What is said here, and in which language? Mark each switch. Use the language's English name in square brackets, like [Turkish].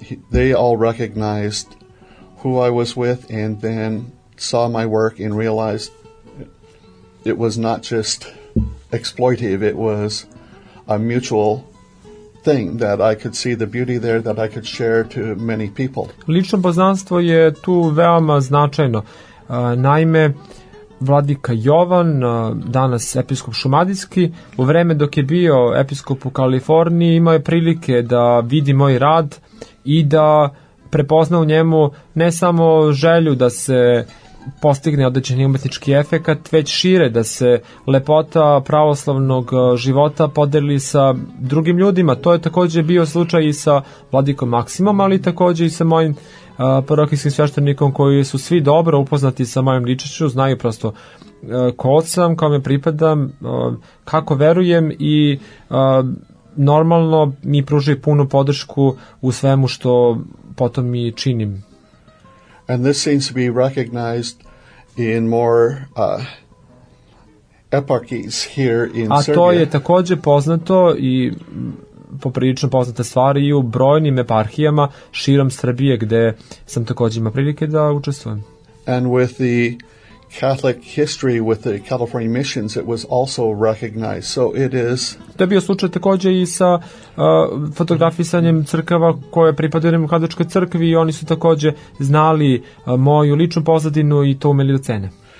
[English] They all recognized who I was with and then saw my work and realized it was not just exploitive, it was a mutual thing that I could see the beauty there that I could share to many people. [Serbian] Lično poznanstvo je tu veoma značajno. Naime, Vladika Jovan, danas episkop Šumadijski, u vreme dok je bio episkop u Kaliforniji, imao je prilike da vidi moj rad i da prepozna u njemu ne samo želju da se postigne određeni umetnički efekat, već šire da se lepota pravoslavnog života podeli sa drugim ljudima. To je takođe bio slučaj i sa Vladikom Maksimom, ali takođe i sa mojim parohijskim sveštenikom, koji su svi dobro upoznati sa mojim ličnošću, znaju prosto ko sam, kome pripadam, kako verujem, i normalno mi pružaju punu podršku u svemu što potom mi činim. [English] And this seems to be recognized in more eparchies here in Serbia. [Serbian] A to je takođe poznato i poprilično poznata stvar i u brojnim eparhijama širom Srbije, gde sam takođe imao prilike da učestvujem. [English] And with the Catholic history with the California missions, it was also recognized. So it is. [Serbian] To je bio slučaj takođe i sa fotografisanjem crkava koje pripadaju Katoličkoj crkvi, i oni su takođe znali moju ličnu pozadinu i to umeli da cene.